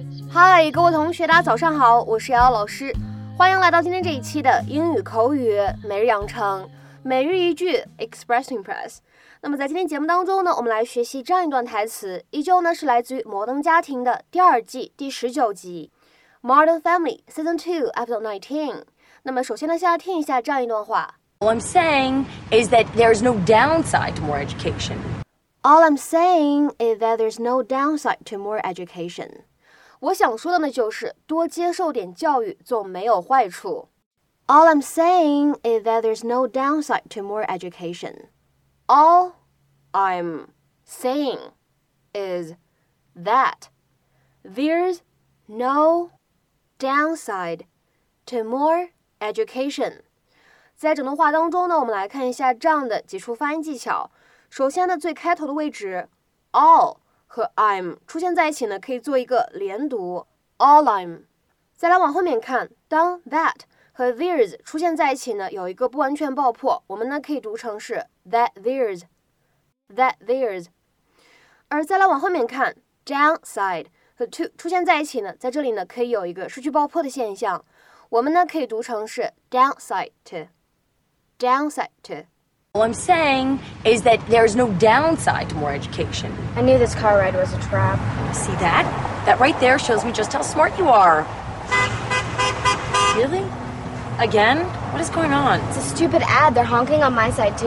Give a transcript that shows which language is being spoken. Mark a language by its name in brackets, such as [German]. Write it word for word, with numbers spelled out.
[Chinese] 嗨，各位同学，大家早上好，我是瑶瑶老师，欢迎来到今天这一期的英语口语每日养成，每日一句 [English] Express to Impress。 [Chinese] 那么在今天节目当中呢，我们来学习这样一段台词，依旧呢是来自于《摩登家庭》的第二季第十九集，《Modern Family Season Two Episode nineteen》。那么首先呢，先来听一下这样一段话。 [English] All I'm saying is that there's no downside to more education. All I'm saying is that there's no downside to more education. [Chinese] 我想说的呢就是多接受点教育总没有坏处。 [English] All I'm saying is that there's no downside to more education. All I'm saying is that there's no downside to more education. [Chinese] 在整段话当中呢，我们来看一下这样的几处发音技巧。首先呢，最开头的位置 all 和 I'm 出现在一起呢，可以做一个连读 all I'm。再来往后面看，当 that 和 there's 出现在一起呢，有一个不完全爆破，我们呢可以读成是 [English] that there's that there's。 [Chinese] 而再来往后面看 downside 和 to 出现在一起呢，在这里呢可以有一个失去爆破的现象，我们呢可以读成是 [English] downside to downside to。 All I'm saying is that there's no downside to more education. I knew this car ride was a trap. See that? That right there shows me just how smart you are. Really? Again? What is going on? It's a stupid ad. They're honking on my side, too.